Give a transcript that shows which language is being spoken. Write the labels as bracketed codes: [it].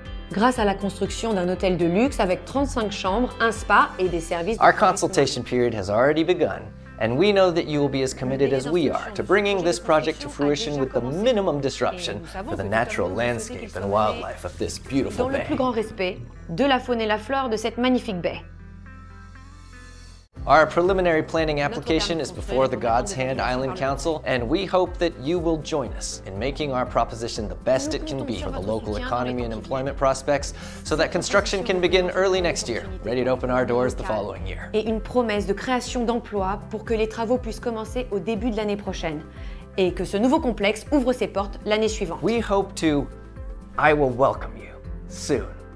[fr] Grâce à la construction d'un hôtel de luxe avec 35 chambres, un spa et des services. [en] Our consultation period has already begun, and we know that you will be as committed as we are to bringing this project to fruition with the minimum disruption for the natural landscape and wildlife of this beautiful bay. [fr] Dans le plus grand respect de la faune et la flore de cette magnifique baie. [en] Our preliminary planning application is before the God's Hand Island Council, and we hope that you will join us in making our proposition the best it can be for the local economy and employment prospects, so that construction can begin early next year, ready to open our doors the following year. [fr] Et une promesse de création d'emplois pour que les travaux puissent commencer au début de l'année prochaine, et que ce nouveau complexe ouvre ses portes l'année suivante. [en] We hope to, I will welcome you soon.